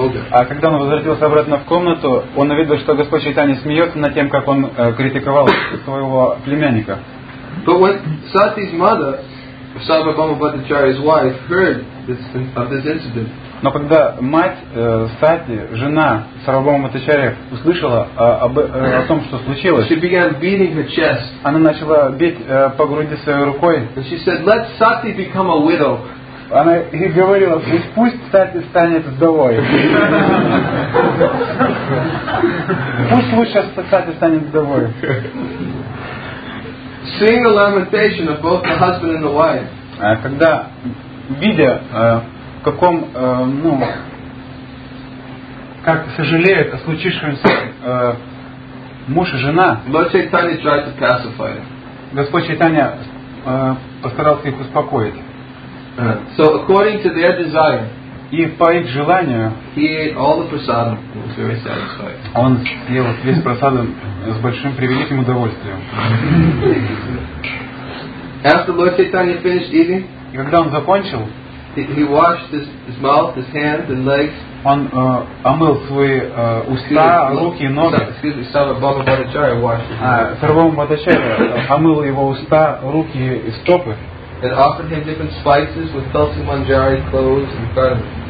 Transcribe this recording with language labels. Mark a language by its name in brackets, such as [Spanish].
[Russian] А когда он возвратился обратно в комнату, он увидел, что Господь Чайтанья смеется над тем, как он критиковал своего племянника. [English] But when Sati's mother, Sāva Bhāma Bhattacharya's wife, heard this, of this incident, [Russian] но когда мать Сати, жена Сарва Бхаума Бхаттачарьи, услышала о том, что случилось, [English] she began beating her chest. [Russian] Она начала бить по груди своей рукой. [English] And she said, "Let Sati become a widow." [Russian] Она и говорила, пусть Сати станет вдовой. Пусть лучше Сати станет вдовой. [English] Seeing the lamentation of both the husband and the wife. [Russian] Когда видя в каком, ну, как сожалеет о случившемся муж и жена. [English] Lord Chaitanya tried to pacify him. [Russian] Господь Чайтанья постарался их успокоить. [English] So according to their desire, [Russian] и по их желанию, [English] he ate all the prasadam. Was very satisfied. [Russian] Он съел весь прасадам с большим превеликим удовольствием. [English] After Lord Chaitanya finished eating, [Russian] и когда он закончил, [English] he washed his mouth, his hands and legs. [Russian] Он омыл свои уста, руки и ноги. Сарвабхаума Бхаттачарья омыл его уста, руки и стопы. [English] And offered him different spices with tulsi manjari cloves and cardamom.